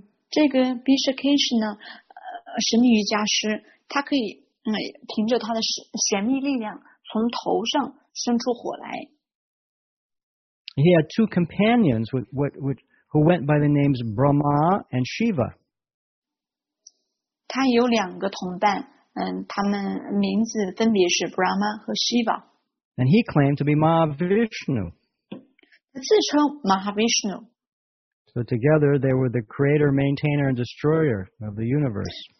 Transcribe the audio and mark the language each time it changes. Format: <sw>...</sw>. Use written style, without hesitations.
<zh>这个Bishakishana神秘瑜伽师，他可以凭着他的神秘力量从头上生出火来。</zh> <en>He had two companions who went by the names Brahma and Shiva.</en> <zh>他有两个同伴。他们名字分别是Brahma和Shiva.</zh> <en>And he claimed to be Mahavishnu.</en> <zh>自称Mahavishnu.</zh> <en>So together they were the creator, maintainer, and destroyer of the universe.</en>